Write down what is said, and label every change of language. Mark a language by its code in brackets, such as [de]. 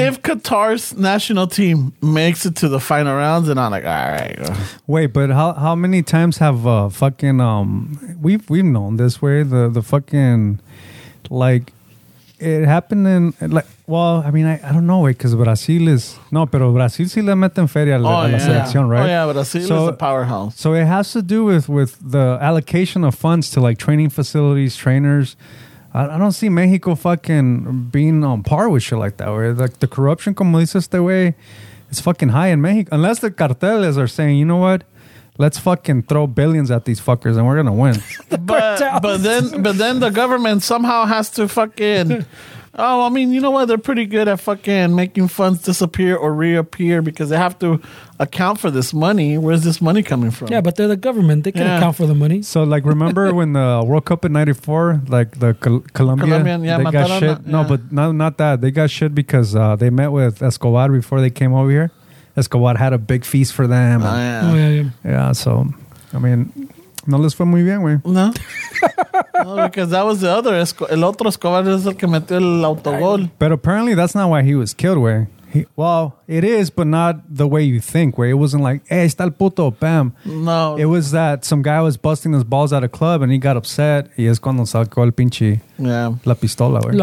[en] If Qatar's national team makes it to the final rounds, then I'm like, all right. Wait, but how many times have fucking we've known this way the fucking like it happened in like. Well, I mean, I don't know, because Brazil is... [es] No, pero Brazil sí le meten feria a la selección, right? [en] Oh, yeah, Brazil is a powerhouse. So it has to do with the allocation of funds to, like, training facilities, trainers. I don't see Mexico fucking being on par with shit like that, where, like, the corruption, [es] como dice este güey, [en] is fucking high in Mexico. Unless the carteles are saying, you know what? Let's fucking throw billions at these fuckers and we're going to win. But then the government somehow has to fucking... Oh, I mean, you know what? They're pretty good at fucking making funds disappear or reappear because they have to account for this money. Where's this money coming from? Yeah, but they're the government. They can account for the money. So, like, remember when the World Cup in 94, like, the Colombian, yeah, they got shit? No, but not that. They got shit because they met with Escobar before they came over here. Escobar had a big feast for them. Oh, yeah. So, I mean... [es] No les fue muy bien, güey. [en] No. No, because that was the other. [es] El otro Escobar es el que metió el autogol. [en] But apparently that's not why he was killed, güey. Well, it is, but not the way you think, güey. It wasn't like, hey, [es] está el puto, [en] bam. No. It was that some guy was busting his balls at a club and he got upset. [es] Y es cuando sacó el pinche la pistola, güey.